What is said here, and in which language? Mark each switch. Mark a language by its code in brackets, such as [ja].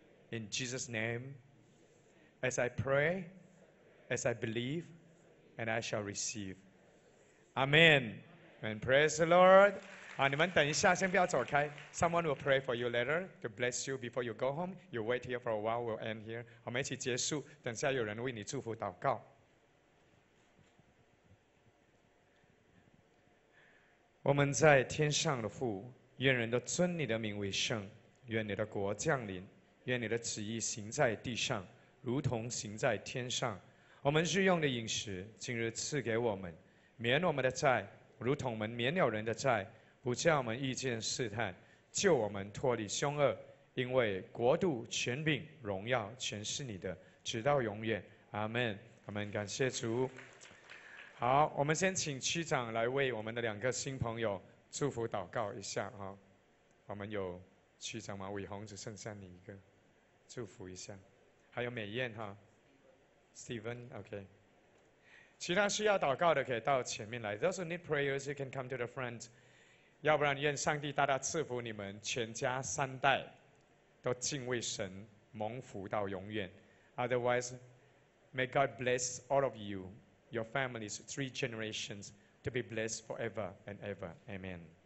[en] In Jesus' name, as I pray, as I believe, and I shall receive. Amen. And praise the Lord. [zh] 你们等一下先不要走开 [en] Someone will pray for you later to bless you before you go home. You wait here for a while, we'll end here. [zh] 我们一起结束，等下有人为你祝福祷告。我们在天上的父，愿人都尊你的名为圣，愿你的国降临，愿你的旨意行在地上，如同行在天上。我们日用的饮食，今日赐给我们，免我们的债，如同我们免了人的债，不叫我们遇见试探，救我们脱离凶恶，因为国度、权柄、荣耀，全是你的，直到永远。阿们。我们感谢主。好，我们先请区长来为我们的两个新朋友祝福祷告一下哈。我们有区长吗？伟宏只剩下你一个，祝福一下。还有美燕哈 ，Steven，OK、okay.。其他需要祷告的可以到前面来。 [en] Those who need prayers, you can come to the front. [zh] 要不然愿上帝大大赐福你们全家三代都敬畏神蒙福到永远。 [en] Otherwise, may God bless all of you, your families, three generations, to be blessed forever and ever. Amen.